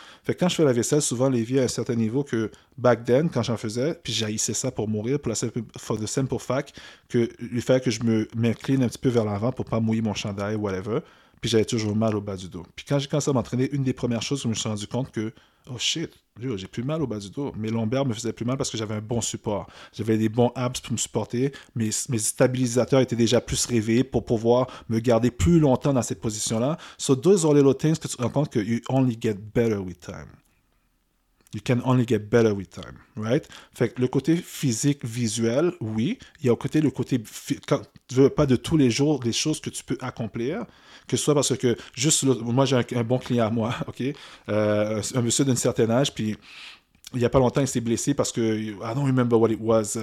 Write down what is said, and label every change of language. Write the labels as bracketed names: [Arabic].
[French] Fait que quand je fais la vaisselle, souvent l'évier à un certain niveau que [English] back then, [French] quand j'en faisais, puis j'haïssais ça pour mourir, pour la simple, [English] for the simple fact, [French] que le fait que je m'incline un petit peu vers l'avant pour pas mouiller mon chandail, whatever, puis j'avais toujours mal au bas du dos. Puis quand j'ai commencé à m'entraîner, une des premières choses où je me suis rendu compte que, oh shit, j'ai plus mal au bas du dos. Mes lombaires me faisaient plus mal parce que j'avais un bon support. J'avais des bons abs pour me supporter. Mes stabilisateurs étaient déjà plus réveillés pour pouvoir me garder plus longtemps dans cette position-là. [English] So, those are little things [French] que tu te rends compte que [English] you only get better with time. You can only get better with time, right? [French] Fait que le côté physique, visuel, oui. Il y a le côté, quand tu veux pas de tous les jours, des choses que tu peux accomplir, que ce soit parce que, juste, moi j'ai un bon client à moi, ok? Un monsieur d'un certain âge, puis il y a pas longtemps, il s'est blessé parce que, [English] I don't remember what it was.